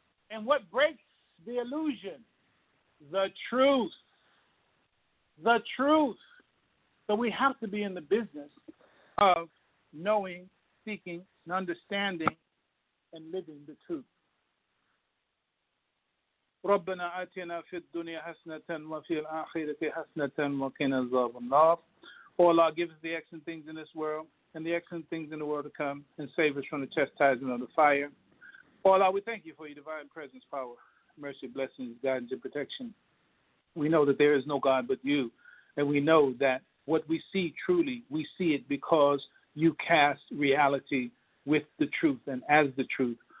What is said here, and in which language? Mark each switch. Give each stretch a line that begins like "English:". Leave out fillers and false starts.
English: And what breaks the illusion? The truth. The truth. So we have to be in the business of knowing, seeking, and understanding, and living the truth.
Arabic: ربنا آتنا في الدنيا حسنة وفي الآخرة حسنة وقنا عذاب النار.
English: O Allah, give us the excellent things in this world and the excellent things in the world to come, and save us from the chastisement of the fire. O Allah, we thank you for your divine presence, power, mercy, blessings, guidance, and protection. We know that there is no God but you, and we know that what we see truly, we see it because you cast reality with the truth and as the truth.